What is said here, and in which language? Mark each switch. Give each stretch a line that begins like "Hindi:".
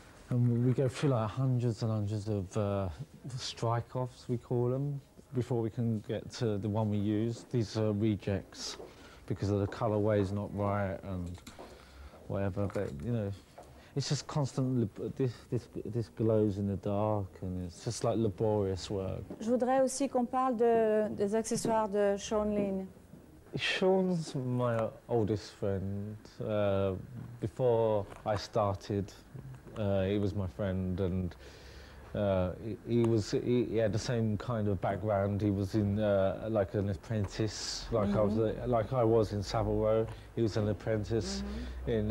English: And we go through like hundreds and hundreds of strike-offs, we call them, before we can get to the one we use. These are rejects, because of the colorway is not right and whatever. But, you know, it's just constantly, this glows in the dark, and it's just like laborious work.
French: Je voudrais aussi qu'on parle des accessoires de Sean Lynn.
English: Sean's my oldest friend. Before I started, he was my friend, and he had the same kind of background. He was in like an apprentice, like mm-hmm. I was in Savile Row. He was an apprentice mm-hmm.